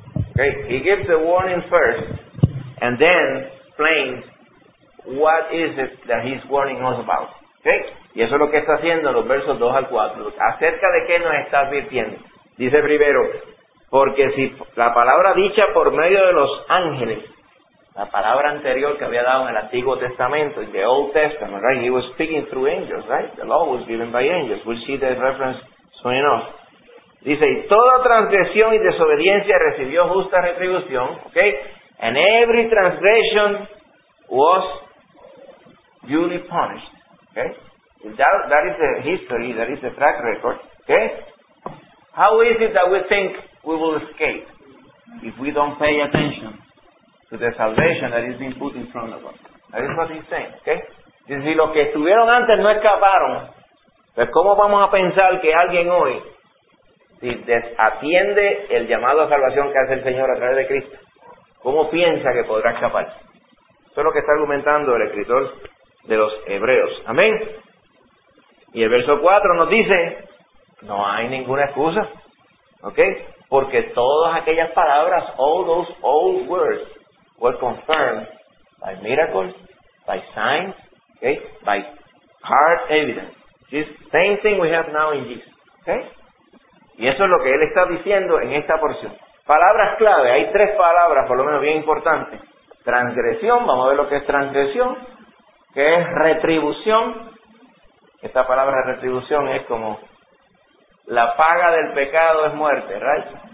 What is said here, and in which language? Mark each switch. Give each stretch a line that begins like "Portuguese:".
English: Okay, he gives the warning first, and then explains what is it that he's warning us about.
Spanish: Okay, y eso es lo que está haciendo en los versos 2 al 4. ¿Acerca de qué nos está advirtiendo? Dice primero, porque si la palabra dicha por medio de los ángeles, la palabra anterior que había dado en el Antiguo Testamento,
English: in the Old Testament, right? He was speaking through angels, right? The law was given by angels. We'll see the reference soon enough.
Spanish: Dice, y toda transgresión y desobediencia recibió justa retribución, okay?
English: And every transgression was duly punished, okay? That is the history, that is the track record, okay? How is it that we think we will escape if we don't pay attention to the salvation that is being put in front of us? That is what he's saying, okay?
Spanish: Dice, si los que estuvieron antes no escaparon, pues ¿cómo vamos a pensar que alguien hoy, si desatiende el llamado a salvación que hace el Señor a través de Cristo, cómo piensa que podrá escapar? Eso es lo que está argumentando el escritor de los Hebreos. Amén. Y el verso 4 nos dice, no hay ninguna excusa. ¿Ok? Porque todas aquellas palabras,
English: all those old words, were confirmed by miracles, by signs, okay, by hard evidence. This same thing we have now in Jesus.
Spanish: ¿Ok? Y eso es lo que él está diciendo en esta porción. Palabras clave, hay tres palabras por lo menos bien importantes. Transgresión, vamos a ver lo que es transgresión, que es retribución. Esta palabra retribución es como la paga del pecado es muerte, right?